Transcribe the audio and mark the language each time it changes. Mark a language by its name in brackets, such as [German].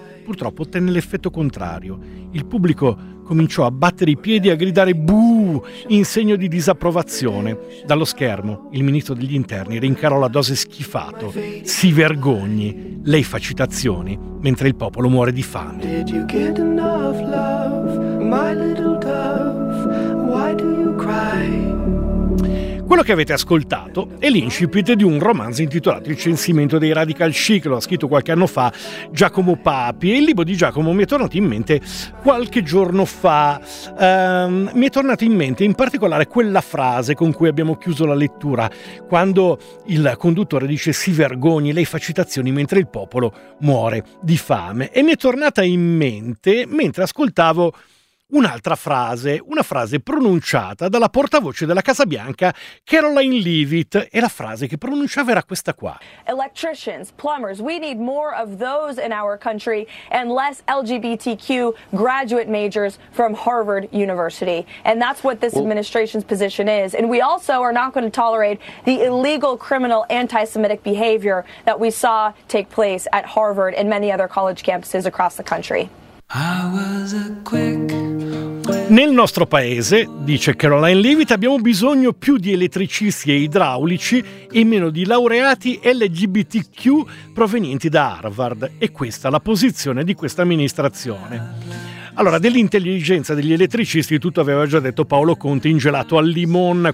[Italian] Purtroppo ottenne l'effetto contrario. Il pubblico cominciò a battere i piedi e a gridare buh in segno di disapprovazione. Dallo schermo, il ministro degli interni rincarò la dose schifato. Si vergogni, lei fa citazioni mentre il popolo muore di fame. [English] Did you get enough love, my little dove? Why do you cry? [Italian] Quello che avete ascoltato è l'incipit di un romanzo intitolato Il censimento dei radical chic, lo ha scritto qualche anno fa Giacomo Papi, e il libro di Giacomo mi è tornato in mente qualche giorno fa. Mi è tornato in mente in particolare quella frase con cui abbiamo chiuso la lettura, quando il conduttore dice si vergogni, lei fa citazioni mentre il popolo muore di fame, e mi è tornata in mente mentre ascoltavo un'altra frase, una frase pronunciata dalla portavoce della Casa Bianca, Caroline Leavitt, e la frase che pronunciava era questa qua. [English] Electricians, plumbers, we need more of those in our country and less LGBTQ graduate majors from Harvard University. And that's what this administration's position is. And we also are not going to tolerate the illegal criminal anti-Semitic behavior that we saw take place at Harvard and many other college campuses across the country. [Italian] Nel nostro paese, dice Caroline Leavitt, abbiamo bisogno più di elettricisti e idraulici e meno di laureati LGBTQ provenienti da Harvard. E questa è la posizione di questa amministrazione. Allora, dell'intelligenza degli elettricisti tutto aveva già detto Paolo Conte in Gelato al Limon.